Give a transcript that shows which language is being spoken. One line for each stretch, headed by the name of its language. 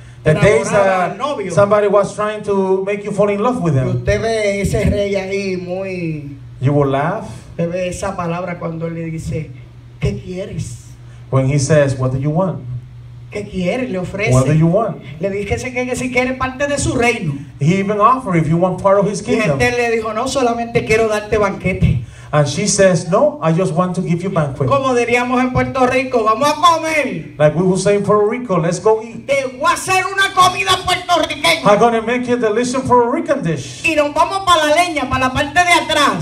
English: the days that somebody was trying to make you fall in love with him.
Spanish: Y usted ve ese rey ahí muy.
English: You will laugh.
Spanish: Usted ve esa palabra cuando le dice, ¿qué quieres?
English: When he says, what do you want?
Spanish: ¿Qué quieres? Le ofrece.
English: What do you want?
Spanish: Le dice que si quiere parte de su reino.
English: He even offered if you want part of his kingdom.
Spanish: Y este le dijo, no, solamente quiero darte banquete.
English: And she says, no, I just want to give you banquet.
Spanish: Como diríamos en Puerto Rico, vamos a comer.
English: Like we would say in Puerto Rico, let's go eat.
Spanish: Te voy a hacer una comida puertorriqueña.
English: I'm going to make you a delicious Puerto Rican dish.
Spanish: Y nos vamos para la leña, para la parte de atrás.